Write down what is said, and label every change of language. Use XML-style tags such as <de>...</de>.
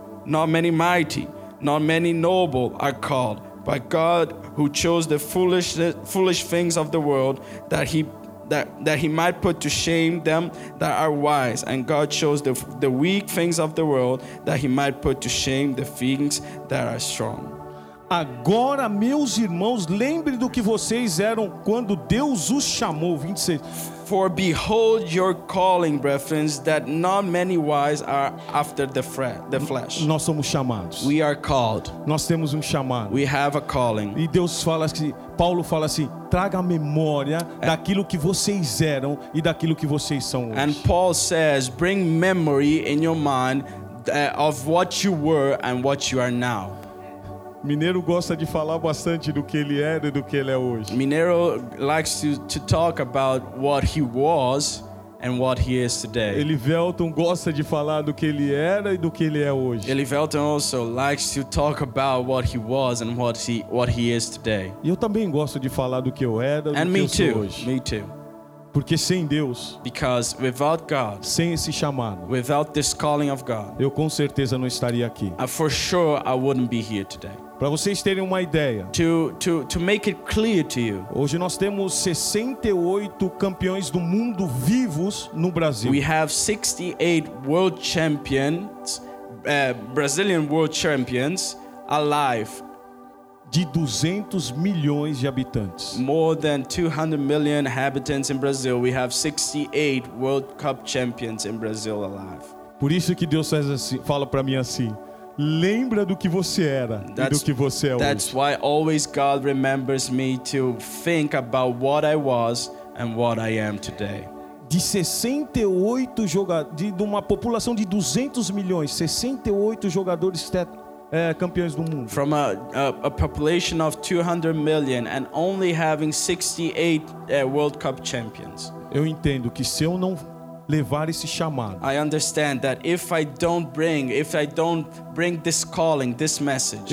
<en>not many noble are called by God, who chose the foolish things of the world, that he might put to shame them that are wise, and God chose the weak things of the world, that he might put to shame the things that are strong.</en> <pt>Agora, meus irmãos, lembre do que vocês eram quando Deus os chamou. 26.</pt> <en>For behold your calling, brethren, that not many wise are after the flesh.</en> <pt>Nós somos chamados.</pt> <en>We are called.</en> <pt>Nós temos chamado.</pt> <en>We have a calling.</en> <pt>E Deus fala assim, Paulo fala assim, traga a memória daquilo que vocês eram e daquilo que vocês são hoje.</pt> <en>And Paul says, bring memory in your mind of what you were and what you are now.</en> <pt>Mineiro gosta de falar bastante do que ele era e do que ele é hoje.</pt> <en>Mineiro likes to talk about what he was and what he is today.</en> <pt>Elivelton gosta de falar do que ele era e do que ele é hoje.</pt> <en>Elivelton also likes to talk about what he was and what he is today.</en> <pt>E eu também gosto de falar do que eu era e do que eu sou hoje.</pt> <en>Me too.</en> <pt>Porque sem Deus,</pt> <en>because without God,</en> <pt>sem esse chamado,</pt> <en>without this calling of God,</en> <pt>eu com certeza não estaria aqui.</pt> <en>For sure I wouldn't be here today.</en> <pt>Para vocês terem uma ideia,</pt> <en>to make it clear to you,</en> <pt>hoje nós temos 68 campeões do mundo vivos no Brasil.</pt> <en>We have 68 world champions, Brazilian world champions alive.</en> <pt>De 200 milhões de habitantes.</pt> <en>More than 200 million inhabitants in Brazil. We have 68 World Cup champions in Brazil alive.</en> <pt>Por isso que Deus faz assim, fala para mim assim: lembra do que você era e do que você é hoje.</pt> <en>That's why always God remembers me to think about what I was and what I am today.</en> <pt>De 68 jogadores, de uma população de 200 milhões, 68 jogadores campeões do mundo.</pt> <en>From a population of 200 million and only having 68 World Cup champions.</en> <pt>Eu entendo que se eu não levar esse chamado,</pt> <en>I understand that if I don't bring this calling, this message,</en>